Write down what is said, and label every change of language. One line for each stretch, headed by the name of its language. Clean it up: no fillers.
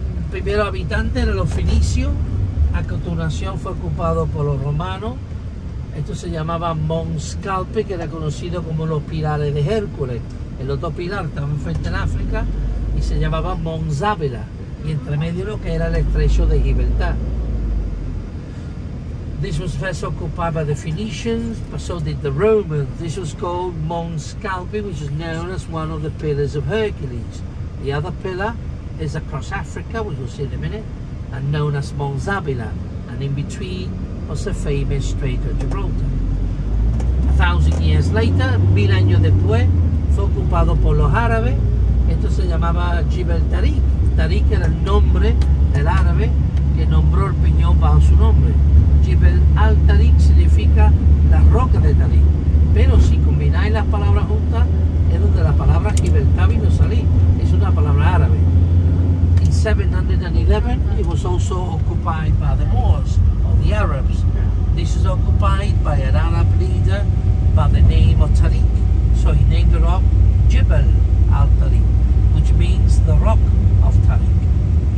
Spanish: Primero habitante eran los fenicios, a continuación fue ocupado por los romanos. Esto se llamaba Mont Scalpe, que era conocido como los pilares de Hércules. El otro pilar estaba enfrente en África y se llamaba Mont Zabela, y entre medio lo que era el estrecho de Gibraltar.
English: This was first occupied by the Phoenicians, but so did the Romans. This was called Mont Scalpe, which is known as one of the pillars of Hercules. The other pillar is across Africa, which we'll see in a minute, and known as Mont Zabela, and in between was the famous Strait of Gibraltar. 1,000 years later,
Spanish: 1,000 años después, fue ocupado por los árabes. Esto se llamaba Gibraltarik. Tarik era el nombre del árabe que nombró el peñón bajo su nombre. Gibraltarik significa la roca de Tarik. Pero si combináis las palabras juntas, es donde la palabra Gibraltar vino a salir. Es una palabra árabe.
English: In 711, it was also occupied by the Moors, or the Arabs. This is occupied by an Arab leader by the name of Tarik. So he named the rock Jibal al-Tariq, which means the rock of Tariq.